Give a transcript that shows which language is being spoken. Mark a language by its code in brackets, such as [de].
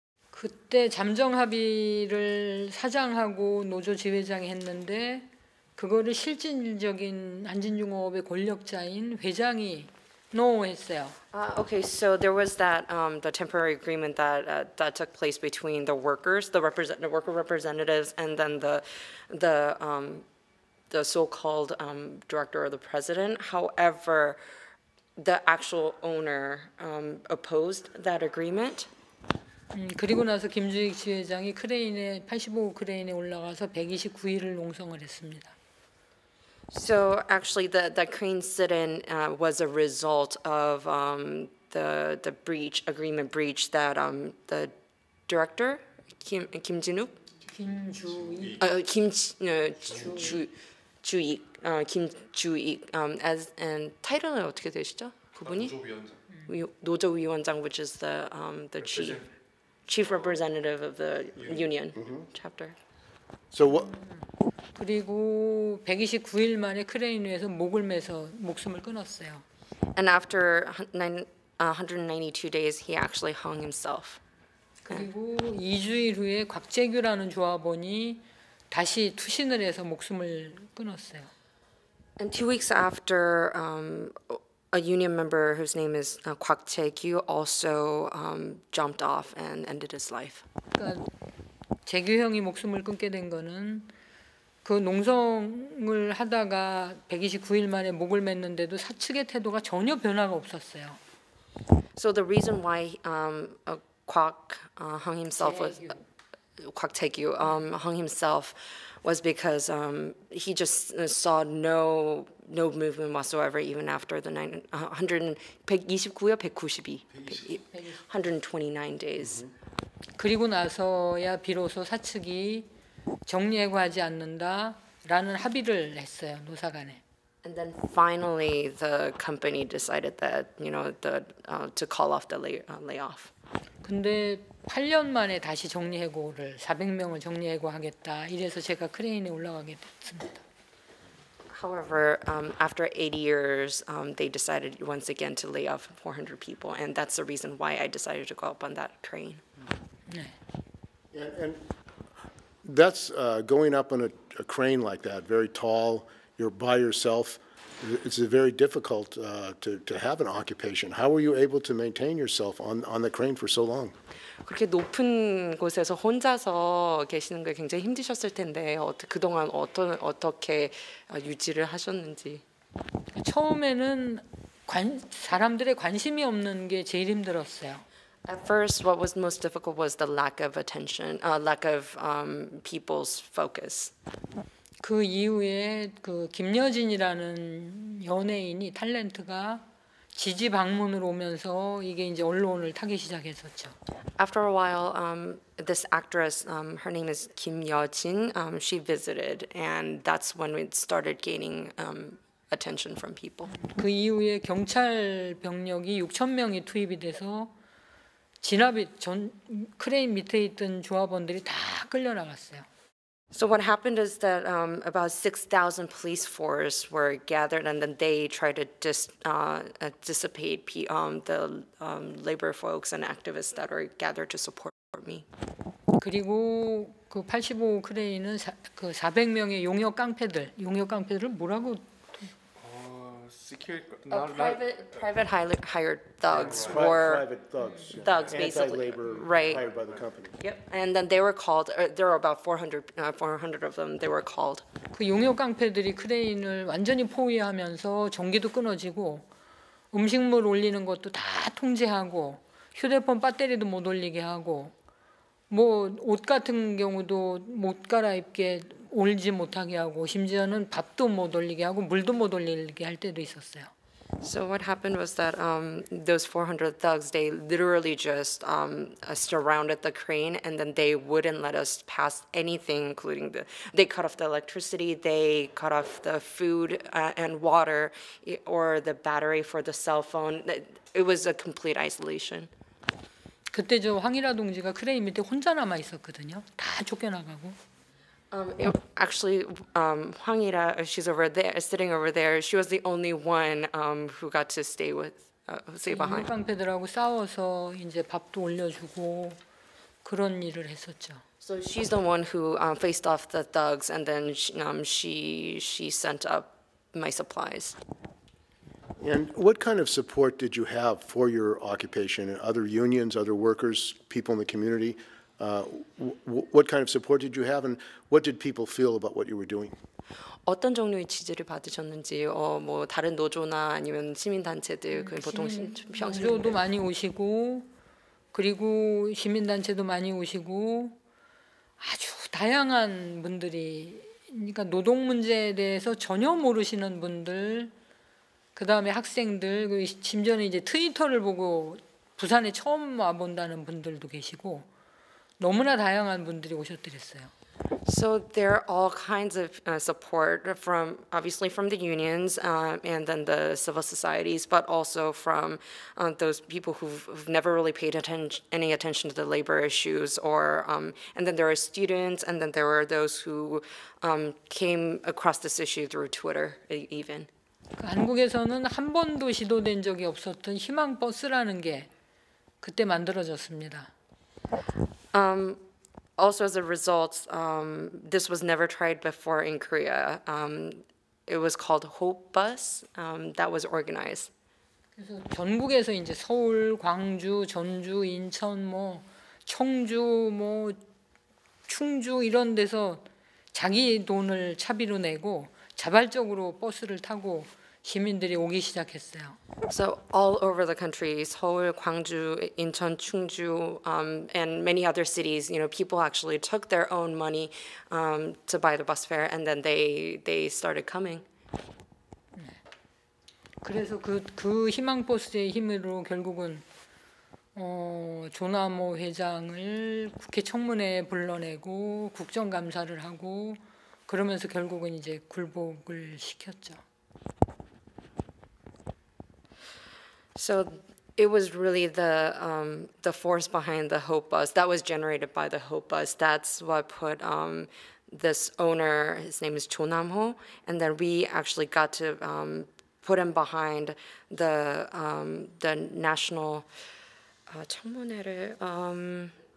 [ko] 그때 잠정 합의를 사장하고 노조 지회장이 했는데 그거를 실질적인 한진중공업의 권력자인 회장이 노했어요. [en] Okay, so there was that the temporary agreement that took place between the workers, worker representatives, and then the so-called director or the president. However, the actual owner opposed that agreement. [ko] 그리고 나서 김주익 지회장이 크레인에 85호 크레인에 올라가서 129일을 농성을 했습니다. [en] So actually, the crane sit-in was a result of the breach agreement breach that the director Kim Jin-wook, [ko] 김주익. 김 주익. 주익 김 주익 [en] as and [ko] 타이틀은 어떻게 되시죠? 그분이 노조위원장, [en] which is the Representative. chief representative of the union chapter. So what? [ko] 그리고 129일 만에 크레인 위에서 목을 매서 목숨을 끊었어요. [en] And after 192 days, he actually hung himself. [ko] 그리고 2주일 후에 곽재규라는 조합원이 다시 투신을 해서 목숨을 끊었어요. [en] And 2 weeks after, a union member whose name is Kwak Tae-kyu also jumped off and ended his life. [ko] 그러니까 재규 형이 목숨을 끊게 된 거는 그 농성을 하다가 129일 만에 목을 맸는데도 사측의 태도가 전혀 변화가 없었어요. [en] So the reason why hung himself was [ko] 재규. [en] Kwak Tae-kyu hung himself was because he just saw no movement whatsoever even after the 129야 192 129 days. [ko] 그리고 나서야 비로소 사측이 정리해고하지 않는다라는 합의를 했어요, 노사 간에. [en] And then finally, the company decided that, to call off the layoff. [ko] 근데 8년 만에 다시 정리해고를 400명을 정리해고하겠다 이래서 제가 크레인에 올라가게 됐습니다. [en] However, after 80 years, they decided once again to lay off 400 people, and that's the reason why I decided to go up on that train. And that's going up on a crane like that, very tall, you're by yourself. It's very difficult to have an occupation. How were you able to maintain yourself on the crane for so long? [ko] 그렇게 높은 곳에서 혼자서 계시는 게 굉장히 힘드셨을 텐데 그동안 어떻게 유지를 하셨는지. 처음에는 사람들의 관심이 없는 게 제일 힘들었어요. [en] At first, what was most difficult was the lack of attention, lack of people's focus. [ko] 그 이후에 그 김여진이라는 연예인이 탤런트가 지지 방문을 오면서 이게 이제 언론을 타기 시작했었죠. [en] After a while, this actress, her name is Kim Yeo-jin, she visited, and that's when we started gaining attention from people. [ko] 그 이후에 경찰 병력이 6천 명이 투입이 돼서 진압이 전 크레인 밑에 있던 조합원들이 다 끌려나갔어요. [en] So what happened is that about 6,000 police force were gathered, and then they tried to dissipate the labor folks and activists that were gathered to support me. [ko] 그리고 그85호 크레인은 그 400명의 용역 깡패들을 뭐라고 [en] Secure, A private hired thugs were Private thugs, yeah. thugs basically, Anti-labor right? hired by the company. Yep, and then they were called. There were about 400 of them. They were called. [ko] 그 용역 깡패들이 크레인을 완전히 포위하면서 전기도 끊어지고 음식물 올리는 것도 다 통제하고 휴대폰 배터리도 못 올리게 하고 뭐옷 같은 경우도 못 갈아입게 올지 못하게 하고 심지어는 밥도 못 올리게 하고 물도 못 올리게 할 때도 있었어요. [en] So what happened was that those 400 thugs, they literally just surrounded the crane, and then they wouldn't let us pass anything, including the. They cut off the electricity, they cut off the food and water, or the battery for the cell phone. It was a complete isolation. [ko] 그때 저 황일화 동지가 크레인 밑에 혼자 남아 있었거든요. 다 쫓겨나가고. [en] Actually, Hwangira, she's over there, sitting over there. She was the only one who got to stay behind. [ko] 용역 깡패들하고 싸워서 이제 밥도 올려주고 그런 일을 했었죠. [en] So she's the one who faced off the thugs, and then she sent up my supplies. And what kind of support did you have for your occupation? Other unions, other workers, people in the community? What kind of support did you have, and what did people feel about what you were doing? [ko] 어떤 종류의 지지를 받으셨는지, 뭐 다른 노조나 아니면 시민 단체들, 그 보통 노조도 많이 오시고, 그리고 시민 단체도 많이 오시고, 아주 다양한 분들이, 그러니까 노동 문제에 대해서 전혀 모르시는 분들, 그 다음에 학생들, 심지어는 이제 트위터를 보고 부산에 처음 와 본다는 분들도 계시고. 너무나 다양한 분들이 오셨더랬어요. [en] So there are all kinds of support from obviously from the unions and then the civil societies, but also from those people who've never really paid any attention to the labor issues, or and then there are students, and then there are those who came across this issue through Twitter even. [ko] 한국에서는 한 번도 시도된 적이 없었던 희망 버스라는 게 그때 만들어졌습니다. [en] Also, as a result, this was never tried before in Korea. It was called Hope Bus. That was organized. [ko] 그래서 전국에서 이제 서울, 광주, 전주, 인천, 뭐 청주, 뭐 충주 이런 데서 자기 돈을 차비로 내고 자발적으로 버스를 타고. 시민들이 오기 시작했어요. [en] So all over the country, Seoul, Gwangju, Incheon, Chungju, and many other cities, you know, people actually took their own money to buy the bus fare, and then they started coming. [ko] 그래서 그 희망 버스의 힘으로 결국은 조남호 회장을 국회 청문회에 불러내고 국정감사를 하고 그러면서 결국은 이제 굴복을 시켰죠. [en] So it was really the force behind the Hope Bus that was generated by the Hope Bus. That's what put this owner, his name is Cho Nam-ho, and then we actually got to put him behind the national [ko] 청문회를,